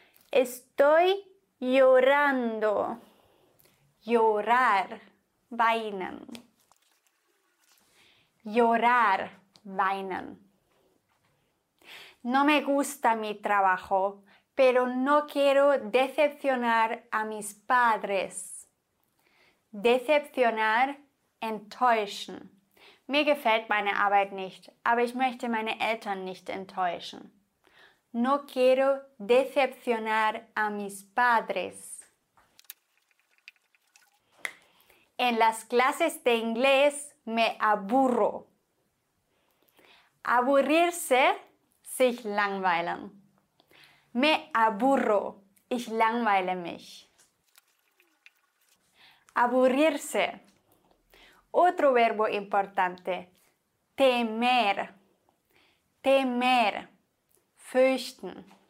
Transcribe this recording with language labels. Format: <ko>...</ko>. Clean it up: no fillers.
<es>Estoy llorando. Llorar. Weinen. Llorar. Weinen. No me gusta mi trabajo, pero no quiero decepcionar a mis padres. Decepcionar. Enttäuschen.</es> <de>Mir gefällt meine Arbeit nicht, aber ich möchte meine Eltern nicht enttäuschen.</de> <es>No quiero decepcionar a mis padres. En las clases de inglés me aburro.</es> <de>Aburrirse, sich langweilen.</de> <es>Me aburro,</es> <de>ich langweile mich.</de> <es>Aburrirse. Otro verbo importante, temer, temer, fürchten.</es>